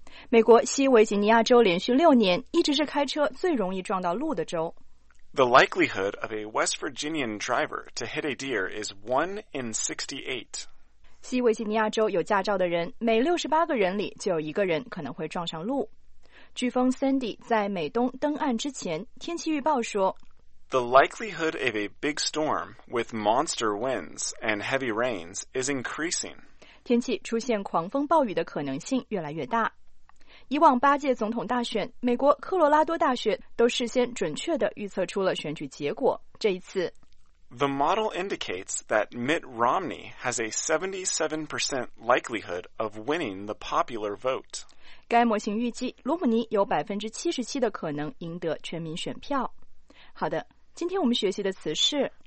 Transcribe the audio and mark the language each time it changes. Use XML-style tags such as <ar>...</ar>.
<zh>美国西维吉尼亚州连续六年一直是开车最容易撞到鹿的州。</zh> <en>The likelihood of a West Virginian driver to hit a deer is 1 in 68.</en> <zh>西维吉尼亚州有驾照的人每68个人里就有一个人可能会撞上鹿。飓风 Sandy 在美东登岸之前天气预报说</zh> <en>The likelihood of a big storm with monster winds and heavy rains is increasing.</en> <zh>天气出现狂风暴雨的可能性越来越大。以往八届总统大选，美国科罗拉多大学都事先准确地预测出了选举结果。这一次</zh> <en>The model indicates that Mitt Romney has a 77% likelihood of winning the popular vote.</en> <zh>该模型预计罗姆尼有77%的可能赢得全民选票。好的，今天我们学习的词是</zh>